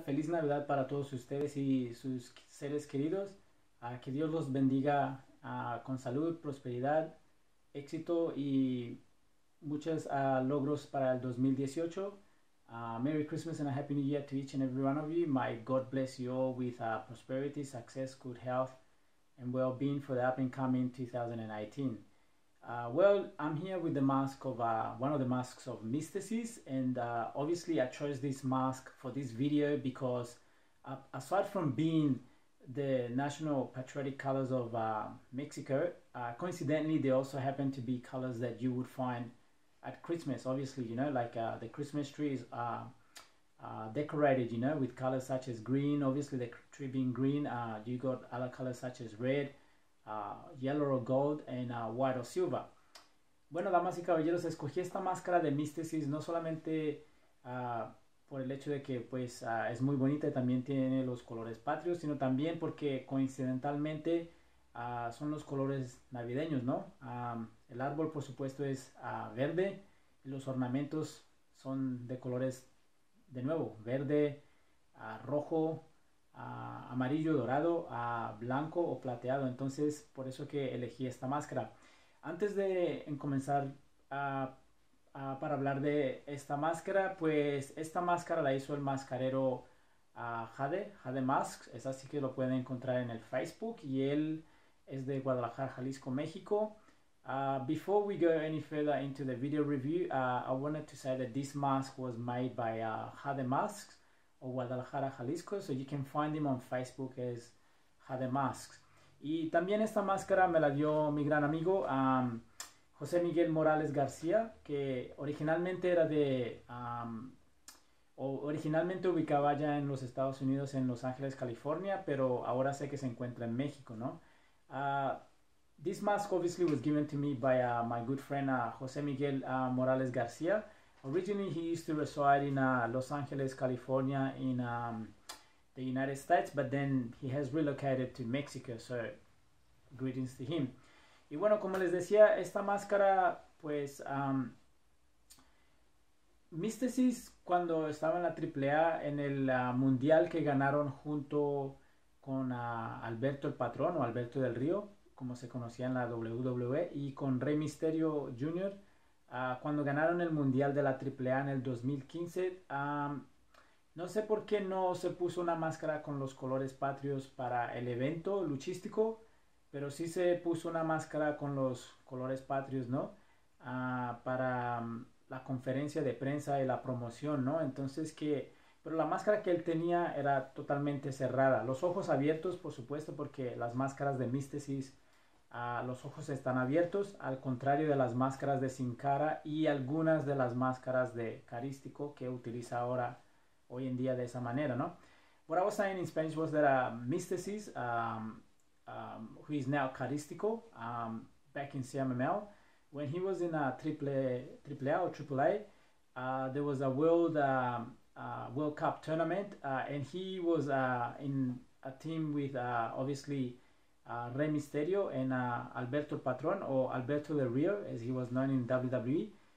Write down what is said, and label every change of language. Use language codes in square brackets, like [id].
[es] Feliz Navidad para todos ustedes y sus seres queridos. Que Dios los bendiga, con salud, prosperidad, éxito y muchos, logros para el 2018. [en] Merry Christmas and a Happy New Year to each and every one of you. May God bless you all with, prosperity, success, good health, and well-being for the up-and-coming 2018. Well, I'm here with the mask of one of the masks of mysticism, and obviously I chose this mask for this video because aside from being the national patriotic colors of Mexico, coincidentally they also happen to be colors that you would find at Christmas. Obviously, you know, like the Christmas tree is decorated, you know, with colors such as green. Obviously, the tree being green, you got other colors such as red, yellow or gold, and white or silver. [es] Bueno, damas y caballeros, escogí esta máscara de Mysticism no solamente por el hecho de que pues es muy bonita y también tiene los colores patrios, sino también porque coincidentalmente son los colores navideños, ¿no? El árbol, por supuesto, es verde y los ornamentos son de colores, de nuevo, verde, rojo, amarillo, dorado, a blanco o plateado. Entonces, por eso que elegí esta máscara. Antes de comenzar para hablar de esta máscara, pues esta máscara la hizo el mascarero Jade, Jade Masks. Es así que lo pueden encontrar en el Facebook y él es de Guadalajara, Jalisco, México. [en] Before we go any further into the video review, I wanted to say that this mask was made by Jade Masks, o Guadalajara, Jalisco, so you can find him on Facebook as Jade Masks. [es] Y también esta máscara me la dio mi gran amigo, José Miguel Morales García, que originalmente era de, originalmente ubicaba ya en los Estados Unidos, en Los Ángeles, California, pero ahora sé que se encuentra en México, ¿no? [en] This mask obviously was given to me by my good friend José Miguel Morales García. Originally, he used to reside in Los Angeles, California, in the United States, but then he has relocated to Mexico. So, greetings to him. [es] Y bueno, como les decía, esta máscara, pues, Mysticism, cuando estaba en la AAA, en el mundial que ganaron junto con Alberto el Patrón, o Alberto del Río, como se conocía en la WWE, y con Rey Mysterio Jr. Cuando ganaron el Mundial de la AAA en el 2015, no sé por qué no se puso una máscara con los colores patrios para el evento luchístico, pero sí se puso una máscara con los colores patrios, ¿no? Para la conferencia de prensa y la promoción, ¿no? Entonces que, pero la máscara que él tenía era totalmente cerrada, los ojos abiertos, por supuesto, porque las máscaras de Mysticism, los ojos están abiertos, al contrario de las máscaras de Sin Cara y algunas de las máscaras de Carístico que utiliza ahora, hoy en día, de esa manera, ¿no? [en] What I was saying in Spanish was that Mysticism, who is now Carístico, back in CMML, when he was in AAA or AAA, there was a World Cup tournament, and he was in a team with, obviously, Rey Mysterio and Alberto el Patrón, or Alberto del Río, as he was known in WWE.